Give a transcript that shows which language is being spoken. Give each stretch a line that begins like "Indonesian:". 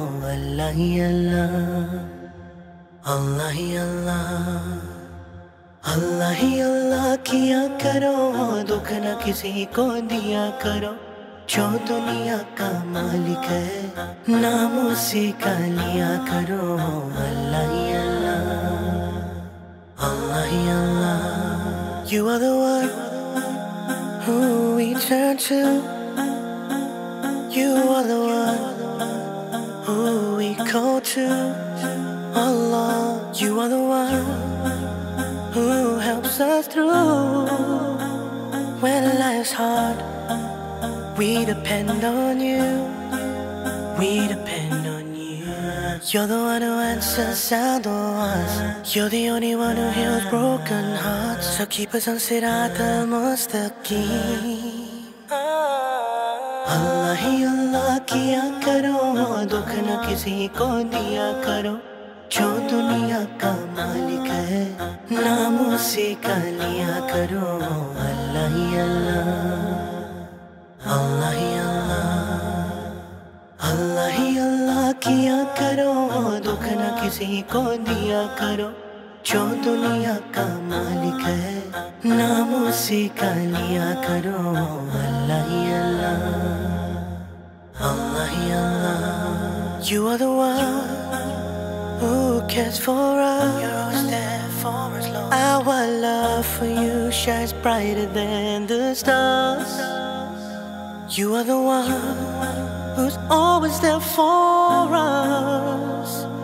Hindi: अल्लाह ही अल्लाह, अल्लाह ही अल्लाह, अल्लाह ही अल्लाह किया करो, दुख न किसी को दिया करो, जो दुनिया का मालिक है नाम उसे का लिया करो। अल्लाह ही अल्लाह, अल्लाह ही अल्लाह।
English: You are the one who we turn to, You are the one who we call to, Allah, You are the one who helps us through. When life's hard, we depend on You, we depend on You. You're the one who answers our doors, You're the only one who heals broken hearts, so keep us on Sirat al-Mustaqim.
Hindi: Allah hi Allah kiya karo, dukh na kisi ko diya karo, जो दुनिया का मालिक है नाम उसे का लिया करो। अल्लाह ही अल्लाह, अल्लाह ही अल्लाह, अल्लाह ही अल्लाह किया करो, दुख न किसी को दिया करो, जो दुनिया का मालिक है नाम उसे का लिया करो। अल्लाह ही अल्लाह, अल्लाह ही अल्लाह।
English: You are the one who cares for us, You're always there for us, Lord. Our love for You shines brighter than the stars. You are the one who's always there for us.